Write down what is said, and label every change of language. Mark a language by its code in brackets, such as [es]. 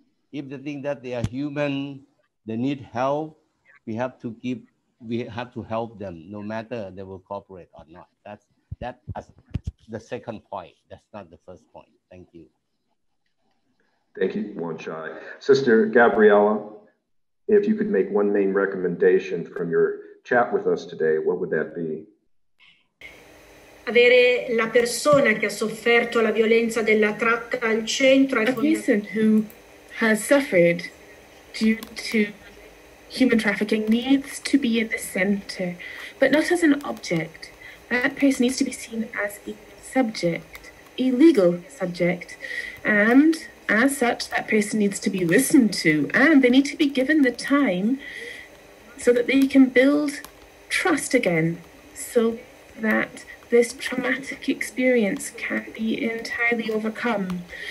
[en] If they think that they are human, they need help, we have to help them no matter they will cooperate or not. That's the second point. That's not the first point. Thank you. Thank you, Wan Chai. Sister Gabriella, if you could make one main recommendation from your chat with us today, what would that be? [it] Avere la persona che ha sofferto la violenza della tratta al centro. [en] A person who has suffered due to human trafficking needs to be in the center, but not as an object. That person needs to be seen as a subject, a legal subject, and as such, that person needs to be listened to, and they need to be given the time so that they can build trust again, so that this traumatic experience can be entirely overcome.